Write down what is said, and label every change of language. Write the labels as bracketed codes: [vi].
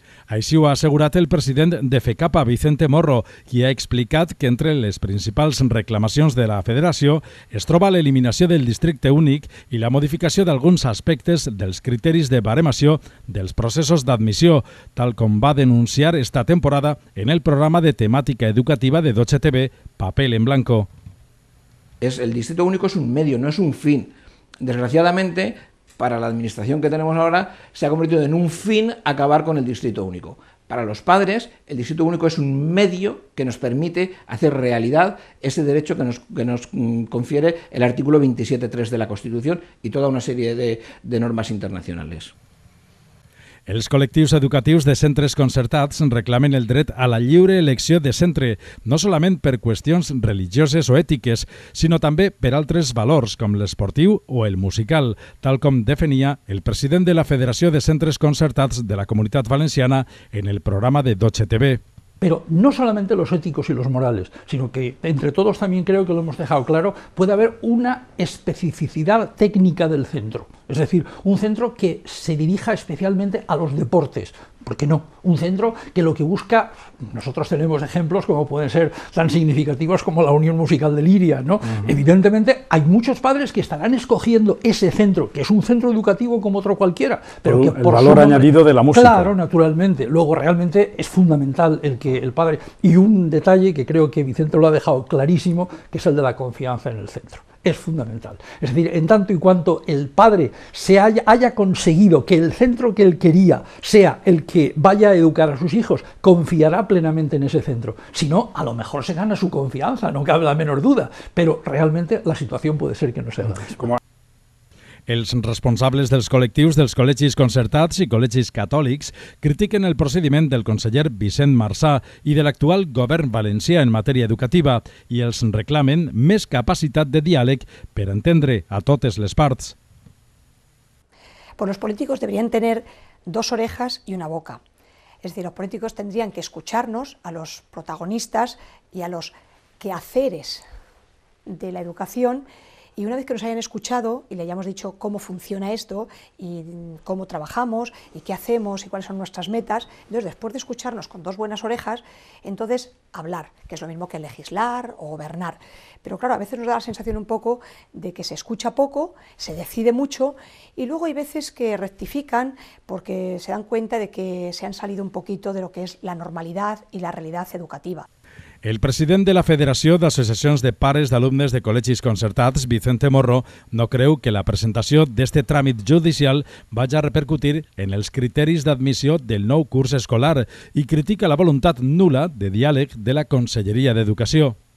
[ca] Així ho ha assegurat el president de FECAPA, Vicente Morro, qui ha explicat que entre les principals reclamacions de la federació es troba l'eliminació del districte únic i la modificació d'alguns aspectes dels criteris de baremació dels processos d'admissió, tal com va denunciar esta temporada en el programa de temàtica educativa de Doce TV, Papel en Blanco. El districte únic és un medio, no és un fin. [es] Desgraciadamente, para la administración que tenemos ahora, se ha convertido en un fin acabar con el distrito único. Para los padres, el distrito único es un medio que nos permite hacer realidad ese derecho que nos confiere el artículo 27.3 de la Constitución y toda una serie de normas internacionales. Els col·lectius educatius de centres concertats reclamen el dret a la lliure elecció de centre, no solament per qüestions religioses o ètiques, sinó també per altres valors com l'esportiu o el musical, tal com definia el president de la Federació de Centres Concertats de la Comunitat Valenciana en el programa de Doce TV. Pero no solamente los éticos y los morales, sino que entre todos también creo que lo hemos dejado claro, puede haber una especificidad técnica del centro. Es decir, un centro que se dirija especialmente a los deportes. ¿Por qué no? Un centro que lo que busca, nosotros tenemos ejemplos como pueden ser tan significativos como la Unión Musical de Liria, ¿no? Uh-huh. Evidentemente hay muchos padres que estarán escogiendo ese centro, que es un centro educativo como otro cualquiera, pero que por el valor añadido de la música. Claro, naturalmente. Luego realmente es fundamental el que el padre, y un detalle que creo que Vicente lo ha dejado clarísimo, que es el de la confianza en el centro. Es fundamental. Es decir, en tanto y cuanto el padre haya conseguido que el centro que él quería sea el que vaya a educar a sus hijos, confiará plenamente en ese centro. Si no, a lo mejor se gana su confianza, no cabe la menor duda. Pero realmente la situación puede ser que no sea la misma. [ca] Els responsables dels col·lectius dels col·legis concertats i col·legis catòlics critiquen el procediment del conseller Vicent Marsà i de l'actual govern valencià en matèria educativa i els reclamen més capacitat de diàleg per entendre a totes les parts. [es] Pues los políticos deberían tener dos orejas y una boca. Es decir, los políticos tendrían que escucharnos a los protagonistas y a los quehaceres de la educación. Y una vez que nos hayan escuchado y le hayamos dicho cómo funciona esto y cómo trabajamos y qué hacemos y cuáles son nuestras metas, entonces después de escucharnos con dos buenas orejas, entonces hablar, que es lo mismo que legislar o gobernar. Pero claro, a veces nos da la sensación un poco de que se escucha poco, se decide mucho y luego hay veces que rectifican porque se dan cuenta de que se han salido un poquito de lo que es la normalidad y la realidad educativa. [ca] El president de la Federació d'Associacions de Pares d'Alumnes de Col·legis Concertats, Vicente Morro, no creu que la presentació d'este tràmit judicial vagi a repercutir en els criteris d'admissió del nou curs escolar i critica la voluntat nul·la de diàleg de la Conselleria d'Educació.